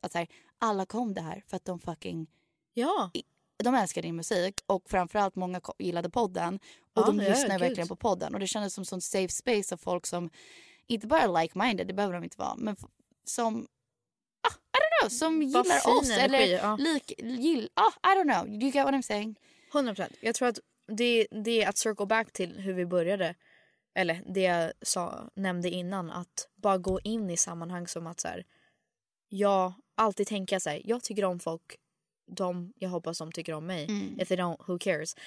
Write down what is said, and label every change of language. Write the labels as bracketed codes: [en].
[sv] Att så här, alla kom det här för att de fucking... Ja. De älskar din musik och framförallt många gillade podden. Och de lyssnar verkligen på podden. Och det kändes som sån safe space av folk som inte bara like-minded, det behöver de inte vara, men som... [en] I don't know, [sv] som gillar oss. Energi, eller lik... [en] I don't know, you get what I'm saying? 100%. [sv] Jag tror att det är att [en] circle back [sv] till hur vi började. Eller det jag nämnde innan, att bara gå in i sammanhang som att så här, jag alltid tänker så här, jag tycker om folk, de jag hoppas de tycker om mig. Mm. [en] If they don't, who cares?